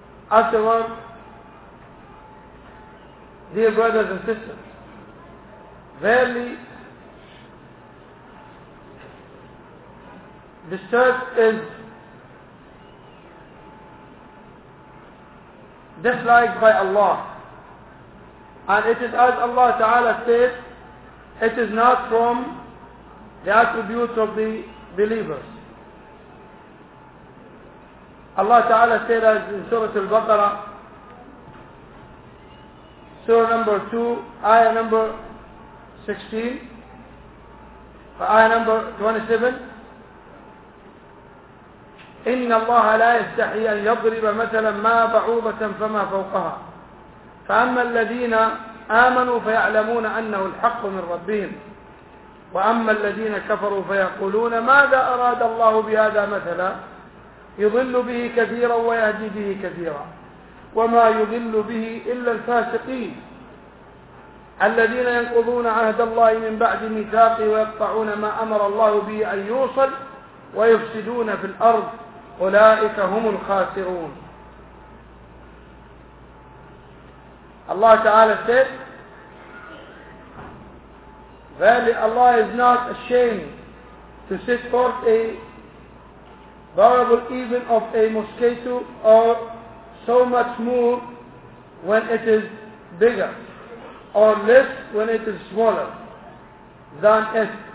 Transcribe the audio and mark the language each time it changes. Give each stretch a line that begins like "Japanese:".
English: Afterward, dear brothers and sisters, verily, the church is disliked by Allah. And it is as Allah Ta'ala says, it is not from the attributes of the believers. Allah Ta'ala said as in Surah Al-Baqarah, Surah number 2, Ayah number 16, Ayah number 27,
Arabic: إِنَّ اللَّهَ لَا يَسْتَحِي أَنْ يَضْرِبَ مَثَلًا مَا بَعُوضَةً فَمَا فَوْقَهَا فأما الذين آمنوا فيعلمون أنه الحق من ربهم وأما الذين كفروا فيقولون ماذا أراد الله بهذا مثلا يضل به كثيرا ويهدي به كثيرا وما يضل به إلا الفاسقين الذين ينقضون عهد الله من بعد ميثاقه ويقطعون ما أمر الله به أن يوصل ويفسدون في الأرض أولئك هم الخاسرون.
English: Allah Ta'ala said, verily Allah is not ashamed to set forth a parable even of a mosquito, or so much more when it is bigger, or less when it is smaller than it.